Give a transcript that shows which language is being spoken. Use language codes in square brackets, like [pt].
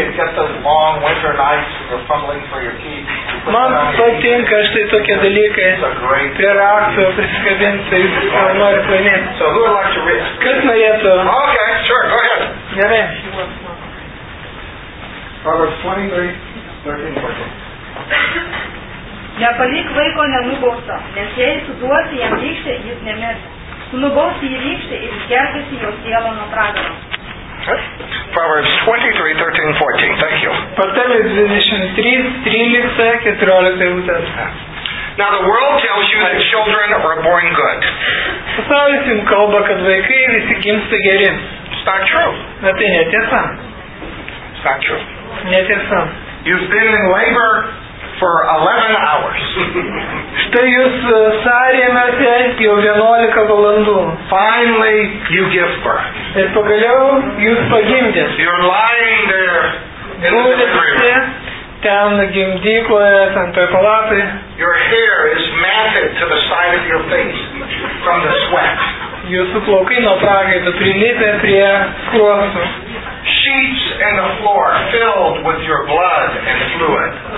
[en] It's just those long winter nights when you're fumbling for your keys. [lt] Man patinka štai tokie dalykai. Prie rakto prisikabinti, ką nori paimėti. [en] So who would like to read? [lt] Kas norėtų? [en] Okay, sure, go ahead. [lt] Gerai. [en] Proverbs 23, 13, 14. [lt] Nepalik vaiko nenubausto, nes jei suduosi jam rykštę, jis nemirs. Sunubausi jį rykštę ir išgelbėsi jo sielą nuo pragaro. [en] Proverbs 23, 13, 14. Thank you. [lt] Patarlė 23, 13, 14. [en] Now the world tells you that children are born good. [lt] Pasaulis jums kalba, kad vaikai visi gimsta geri. [en] It's not true. [lt] Bet tai netiesa. [en] It's not true. [lt] Netiesa. [en] You've been in labor for 11 hours. [lt] Štai jūs sąrėmėte jau 11 valandų. [en] Finally, you give birth. [lt] Ir pagaliau jūs pagimdėt. [en] You're lying there in the delivery room. [lt] Ten gimdykloje, ten toj palatoj. [en] Your hair is matted to the side of your face from the sweat. [lt] Jūsų plaukai nuo prakaito prilipę prie skruostų. [en] Sheets and the floor filled with your blood and fluid.